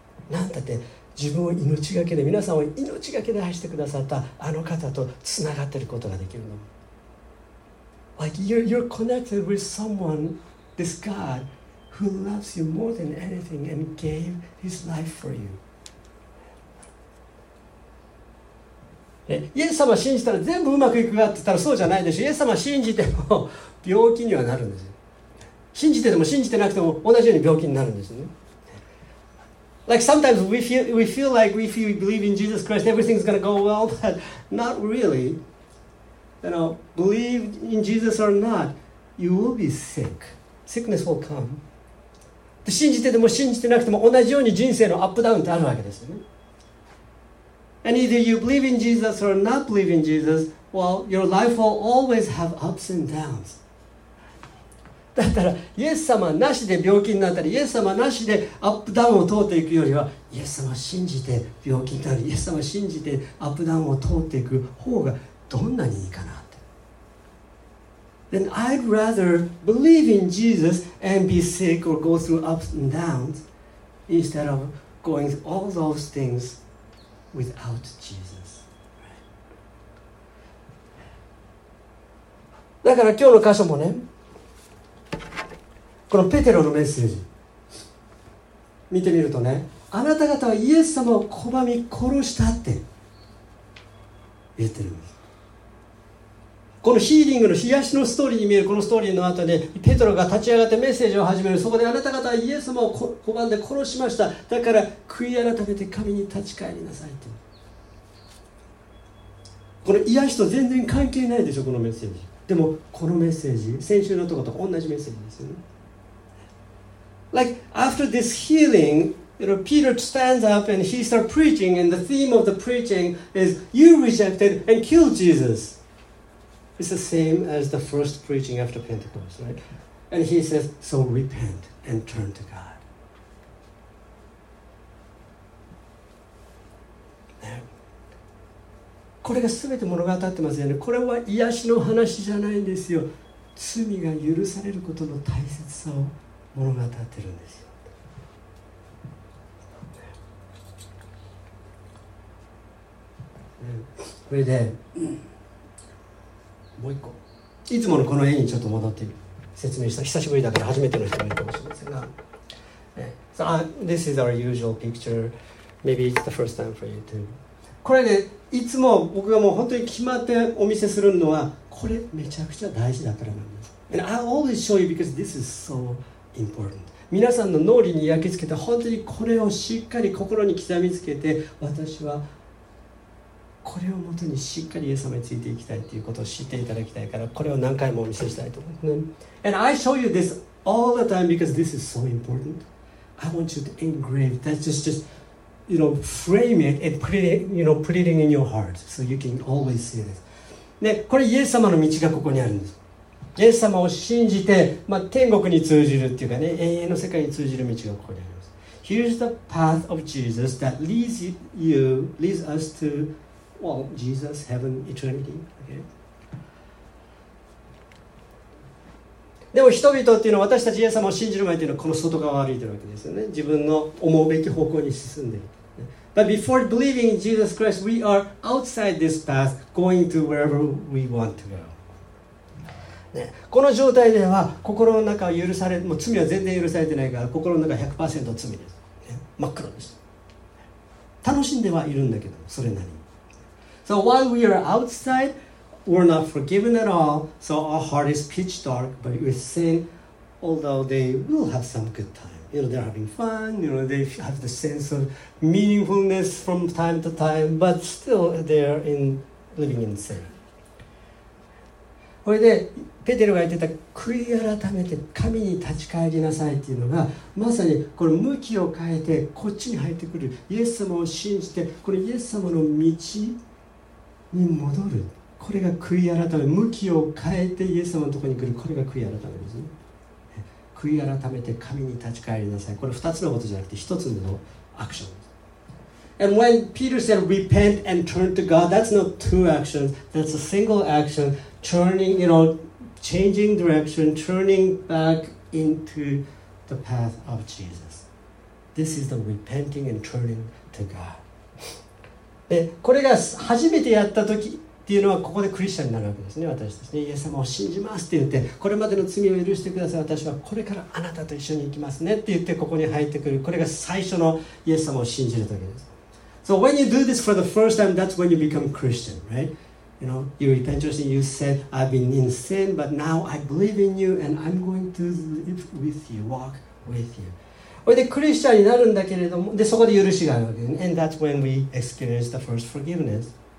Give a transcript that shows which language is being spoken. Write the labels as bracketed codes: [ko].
[ja] なんだって自分を命がけで、皆さんを命がけで愛してくださったあの方とつながっていることができるの。 [en] Like you're connected with someone, this God, who loves you more than anything and gave his life for you. [ja] イエス様を信じたら全部うまくいくかって言ったらそうじゃないでしょ。イエス様を信じても病気にはなるんですよ。信じてても信じてなくても同じように病気になるんですね。 [en] Like sometimes we feel like if we believe in Jesus Christ, everything's going to go well, but not really. You know, believe in Jesus or not, you will be sick. Sickness will come. [ja] で、信じてても信じてなくても同じように人生のアップダウンってあるわけですよね。 [en] And either you believe in Jesus or not believe in Jesus, well, your life will always have ups and downs. [ja] だったらイエス様なしで病気になったり、イエス様なしでアップダウンを通っていくよりは、イエス様信じて病気になる、イエス様信じてアップダウンを通っていく方がどんなにいいかなって。 [en] Then I'd rather believe in Jesus and be sick or go through ups and downs instead of going all those things without Jesus. [ja] だから今日の箇所もね、このペテロのメッセージ見てみるとね、あなた方はイエス様を拒み殺したって言ってるんです。このヒーリングの癒しのストーリーに見えるこのストーリーの後でペトロが立ち上がってメッセージを始める。そこであなた方はイエス様を拒んで殺しました、だから悔い改めて神に立ち返りなさいと。この癒しと全然関係ないでしょこのメッセージ。でもこのメッセージ、先週のところと同じメッセージですよね。 [en] Like after this healing, you know, Peter stands up and he starts preaching, and the theme of the preaching is you rejected and killed JesusIt's the same as the first preaching after Pentecost, right? And he says, so repent and turn to God. [ja] これが全て物語ってますよね。これは癒しの話じゃないんですよ。罪が許されることの大切さを物語ってるんですよ。これで、もう一個、いつものこの絵にちょっと戻って説明した、久しぶりだから初めての人もいるかもしれませんが、 so, this is our usual picture. [en] Maybe it's the first time for you to. [ja] これね、いつも僕がもう本当に決まってお見せするのは、これめちゃくちゃ大事だからなんです。 [en] And I always show you because this is so important. [ja] 皆さんの脳裏に焼き付けて、本当にこれをしっかり心に刻みつけて、私はこれをもとにしっかりイエス様についていきたいということを知っていただきたいから、これを何回もお見せしたいと思います。 [en] And I show you this all the time because this is so important. I want you to engrave that, just you know, frame it and put it, you know, put it in your heart so you can always see this. [ja] で、これイエス様の道がここにあるんです。イエス様を信じて、まあ、天国に通じるっていうかね、永遠の世界に通じる道がここにあります。 [en] Here's the path of Jesus that leads you, leads us toWell, Jesus, heaven, eternity. [ja] Okay. でも人々っていうのは、私たちイエス様を信じる前っていうのはこの外側を歩いてるわけですよね。自分の思うべき方向に進んでいる。 But before believing in Jesus Christ, we are outside this path, going to wherever we want to go.、ね、この状態では心の中は許され、もう罪は全然許されてないから心の中は 100% 罪です、ね。真っ黒です。楽しんではいるんだけど、それなりに。 [en] So while we are outside, we're not forgiven at all. So our heart is pitch dark, but with sin, although they will have some good time. You know, they're having fun. You know, they have the sense of meaningfulness from time to time, but still they're in living in sin. [ja] これで、ペテロが言ってた、悔い改めて神に立ち返りなさいっていうのが、まさにこの向きを変えて、こっちに入ってくる。イエス様を信じて、このイエス様の道、に戻る。これが悔い改め、向きを変えてイエス様のところに来る。これが悔い改めですね。悔い改めて神に立ち返りなさい。これ2つのことじゃなくて1つのアクション。 [en] And when Peter said repent and turn to God, that's not two actions, that's a single action, turning, you know, changing direction, turning back into the path of Jesus. This is the repenting and turning to God. [ja] でこれが初めてやった時っていうのはここでクリスチャンになるわけですね。私たちね、イエス様を信じますって言って、これまでの罪を許してください、私はこれからあなたと一緒に行きますねって言ってここに入ってくる。これが最初のイエス様を信じる時です。 [en] So when you do this for the first time, that's when you become Christian, right? You know, you repent your sin, you said I've been in sin, but now I believe in you and I'm going to live with you, walk with you これでクリスチャンになるんだけれども、でそこで許しがあるわけですね。 And that's when we experience the first forgiveness.